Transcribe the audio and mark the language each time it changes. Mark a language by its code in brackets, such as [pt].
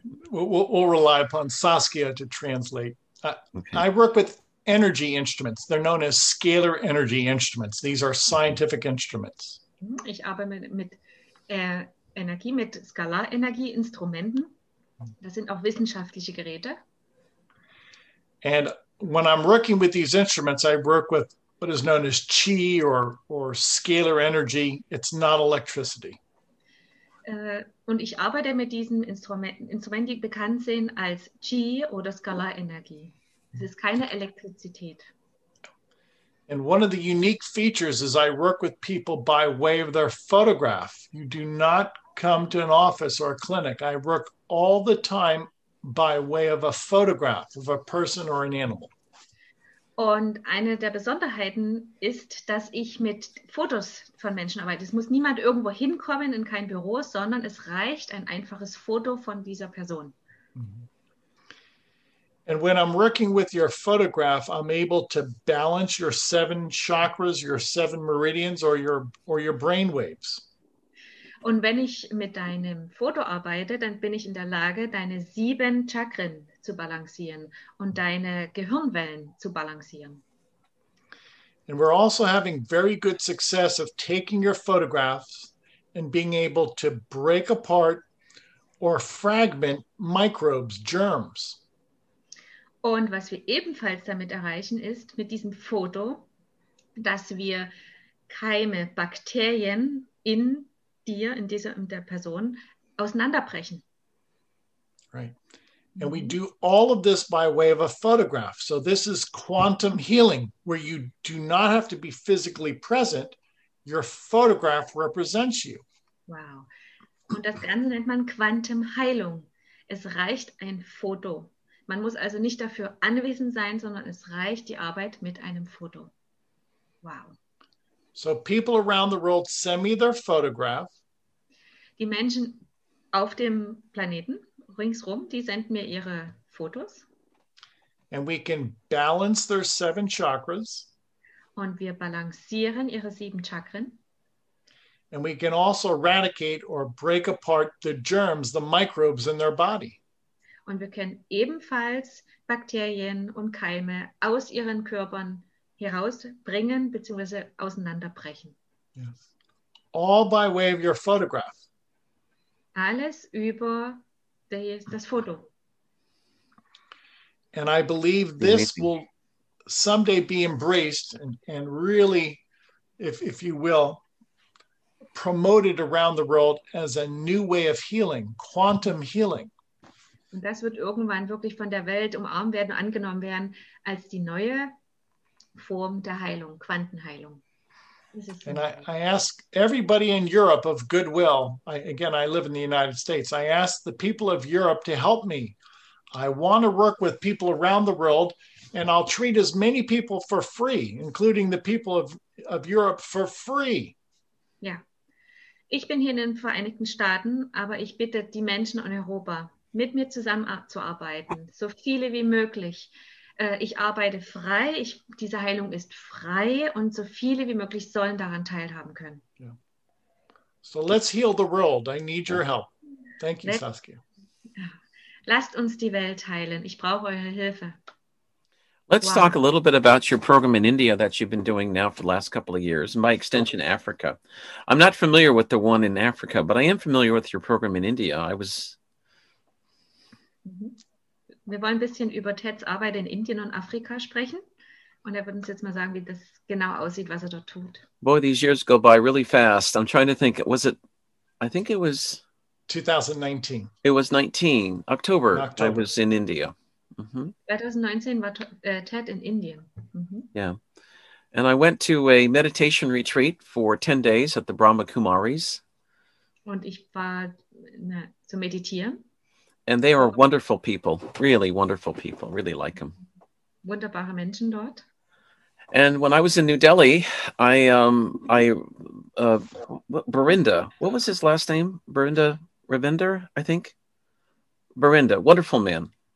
[en] we'll rely upon Saskia to translate. Okay. I work with energy instruments. They're known as scalar energy instruments. These are scientific instruments. [de] Ich arbeite mit Energie, mit Skalarenergieinstrumenten. Das sind auch wissenschaftliche Geräte. [en] And when I'm working with these instruments, I work with what is known as chi or scalar energy. It's not electricity. [de] Und ich arbeite mit diesen Instrumenten, die bekannt sind als chi oder Skalarenergie. Es ist keine Elektrizität. [en] And one of the unique features is I work with people by way of their photograph. You do not come to an office or a clinic. I work all the time by way of a photograph of a person or an animal. [de] Und eine der Besonderheiten ist, dass ich mit Fotos von Menschen arbeite. Es muss niemand irgendwo hinkommen in kein Büro, sondern es reicht ein einfaches Foto von dieser Person. [en] And when I'm working with your photograph, I'm able to balance your seven chakras, your seven meridians or your brain waves. [de] Und wenn ich mit deinem Foto arbeite, dann bin ich in der Lage, deine sieben Chakren zu balancieren und deine Gehirnwellen zu balancieren. [en] And we're also having very good success of taking your photographs and being able to break apart or fragment microbes, germs. [de] Und was wir ebenfalls damit erreichen, ist mit diesem Foto, dass wir Keime, Bakterien in dir, in dieser, in der Person auseinanderbrechen. [en] Right. And we do all of this by way of a photograph. So this is quantum healing, where you do not have to be physically present. Your photograph represents you. Wow. [de] Und das Ganze nennt man Quantum Heilung. Es reicht ein Foto. Man muss also nicht dafür anwesend sein, sondern es reicht die Arbeit mit einem Foto. [en] Wow. So people around the world send me their photograph. [de] Die Menschen auf dem Planeten ringsrum, die senden mir ihre Fotos. [en] And we can balance their seven chakras. [de] Und wir balancieren ihre sieben Chakren. [en] And we can also eradicate or break apart the germs, the microbes in their body. [de] Und wir können ebenfalls Bakterien und Keime aus ihren Körpern herausbringen bzw. auseinanderbrechen. [en] Yes. All by way of your photograph. [de] Alles über das Foto. [en] And I believe this will someday be embraced and really, if you will, promoted around the world as a new way of healing, quantum healing. [de] Und das wird irgendwann wirklich von der Welt umarmt werden, angenommen werden als die neue Form der Heilung, Quantenheilung. [en] And I ask everybody in Europe of goodwill, I live in the United States, I ask the people of Europe to help me. I want to work with people around the world and I'll treat as many people for free, including the people of Europe for free. [de] Ja, ich bin hier in den Vereinigten Staaten, aber ich bitte die Menschen in Europa, mit mir zusammenzuarbeiten, so viele wie möglich. Ich arbeite frei, diese Heilung ist frei und so viele wie möglich sollen daran teilhaben können. [en] Yeah. So let's heal the world. I need your help. Thank you, Saskia. [de] Lasst uns die Welt heilen. Ich brauche eure Hilfe. [en] Let's talk a little bit about your program in India that you've been doing now for the last couple of years, and by extension, Africa. I'm not familiar with the one in Africa, but I am familiar with your program in India. [de] Wir wollen ein bisschen über Teds Arbeit in Indien und Afrika sprechen. Und er wird uns jetzt mal sagen, wie das genau aussieht, was er dort tut. [en] Boy, these years go by really fast. I'm trying to think, was it, I think it was... 2019. It was 19, October, I was in India. [de] Mm-hmm. 2019 war Ted in Indien. [en] Mm-hmm. Yeah. And I went to a meditation retreat for 10 days at the Brahma Kumaris. [de] Und ich war zu meditieren. [en] And they are wonderful people, really wonderful people, really like them. [de] Wunderbare Menschen dort. [en] And when I was in New Delhi, Barinda, what was his last name? Barinda Ravinder, I think. Barinda, wonderful man.